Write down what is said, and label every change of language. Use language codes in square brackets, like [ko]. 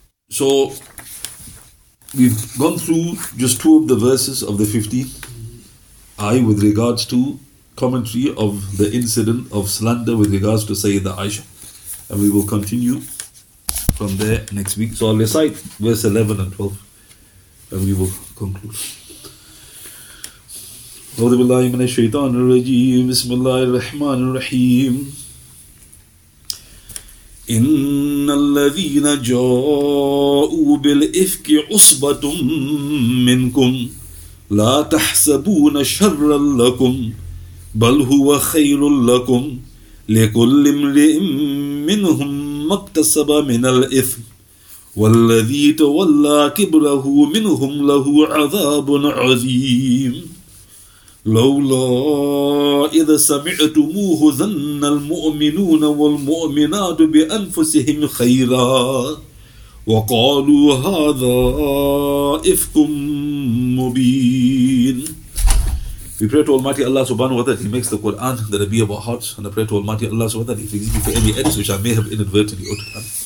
[en] So we've gone through just two of the verses of the 15th ayah with regards to commentary of the incident of slander with regards to Sayyidah Aisha. And we will continue from there next week. So I'll recite verse 11 and 12 and we will conclude. [ar] أعوذ بالله من الشيطان الرجيم بسم الله الرحمن الرحيم إن الذين جاءوا بالإفك عصبة منكم لا تحسبون شرا لكم بل هو خير لكم لكل امرئ منهم ما اكتسب من الإثم والذي تولى كبره منهم له عذاب عظيم لولا إذا سمعتموه ظن المؤمنون والمؤمنات بأنفسهم خيرا وقالوا هذا إفك مبين. [en] We pray to Almighty Allah subhanahu wa ta'ala, He makes the Quran the Rabi of our hearts, and I pray to Almighty Allah subhanahu wa ta'ala, He forgives me for any edits which I may have inadvertently uttered.